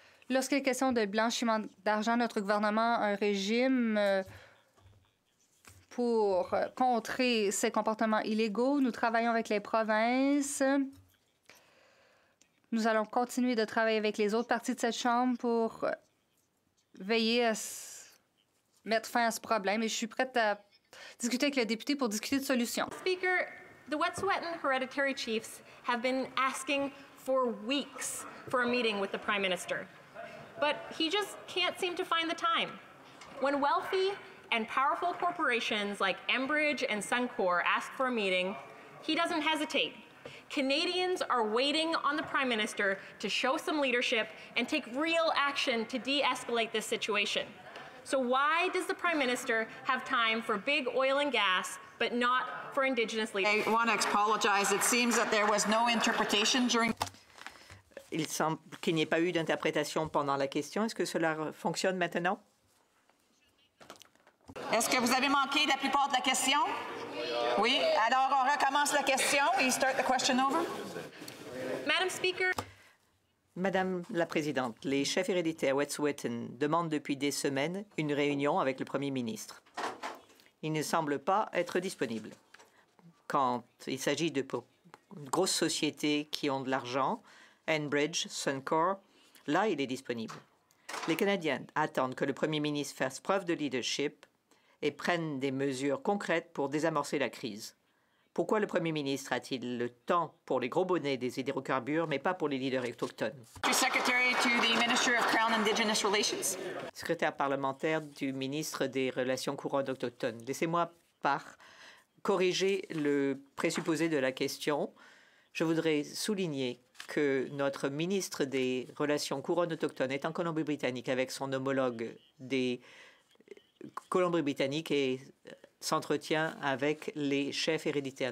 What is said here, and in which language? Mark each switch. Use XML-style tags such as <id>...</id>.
<fr>Lorsqu'il est question de blanchiment d'argent, notre gouvernement a un régime pour contrer ces comportements illégaux. Nous travaillons avec les provinces. Nous allons continuer de travailler avec les autres parties de cette Chambre pour veiller à mettre fin à ce problème. Et je suis prête à discuter avec le député pour discuter de solutions.</fr> <en>Speaker, the Wet'suwet'en hereditary chiefs have been asking for weeks for a meeting with the Prime Minister. But he just can't seem to find the time. When wealthy and powerful corporations like Enbridge and Suncor ask for a meeting, he doesn't hesitate. Canadians are waiting on the Prime Minister to show some leadership and take real action to de-escalate this situation. So why does the Prime Minister have time for big oil and gas, but not for Indigenous leaders? I want to apologize. It seems that there was no interpretation during...</en> <fr>Il semble qu'il n'y ait pas eu d'interprétation pendant la question. Est-ce que cela fonctionne maintenant? Est-ce que vous avez manqué la plupart de la question? Oui. Alors, on recommence la question.</fr> <en>We start the question over. Madam Speaker...</en> <fr>Madame la Présidente, les chefs héréditaires Wet'suwet'en demandent depuis des semaines une réunion avec le premier ministre. Ils ne semblent pas être disponibles. Quand il s'agit de grosses sociétés qui ont de l'argent, Enbridge, Suncor, là, il est disponible. Les Canadiens attendent que le premier ministre fasse preuve de leadership et prenne des mesures concrètes pour désamorcer la crise. Pourquoi le premier ministre a-t-il le temps pour les gros bonnets des hydrocarbures, mais pas pour les leaders autochtones?</fr> <en>Secretary to the Minister of Crown Indigenous Relations.</en> <fr>Secrétaire parlementaire du ministre des Relations couronnes autochtones. Laissez-moi corriger le présupposé de la question. Je voudrais souligner que notre ministre des Relations couronnes autochtones est en Colombie-Britannique avec son homologue des Colombie-Britannique et s'entretient avec les chefs héréditaires.</fr>